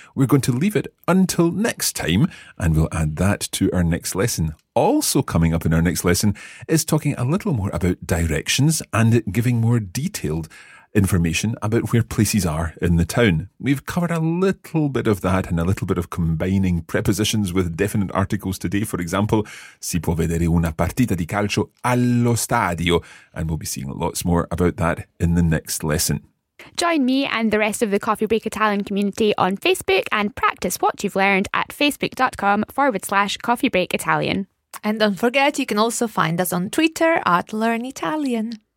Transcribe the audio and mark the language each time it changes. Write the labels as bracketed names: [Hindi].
[English] We're going to leave it until next time, and we'll add that to our next lesson. Also coming up in our next lesson is talking a little more about directions and giving more detailed information about where places are in the town. We've covered a little bit of that and a little bit of combining prepositions with definite articles today. For example, [Italian] si può vedere una partita di calcio allo stadio. [English] And we'll be seeing lots more about that in the next lesson. Join me and the rest of the Coffee Break Italian community on Facebook and practice what you've learned at facebook.com/Coffee Break Italian. And don't forget, you can also find us on Twitter at Learn Italian.